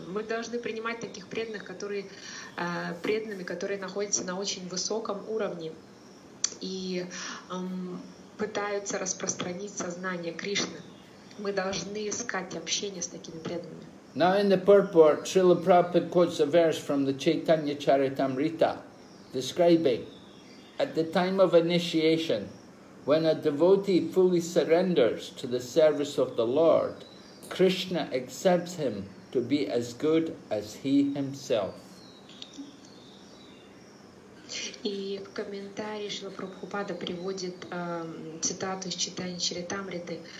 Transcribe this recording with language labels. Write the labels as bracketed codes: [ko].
[ru] Мы должны принимать таких преданных, которые преданными, которые находятся на очень высоком уровне и пытаются распространить сознание Кришны. Мы должны искать общение с такими преданными. [en] Now in the purport, Srila Prabhupada quotes a verse from the Chaitanya Charitamrita, describing, at the time of initiation, when a devotee fully surrenders to the service of the Lord, Krishna accepts him to be as good as he himself. [ru] И в комментарии Шрила Прабхупада приводит цитату из Чайтаньи Чаритамриты.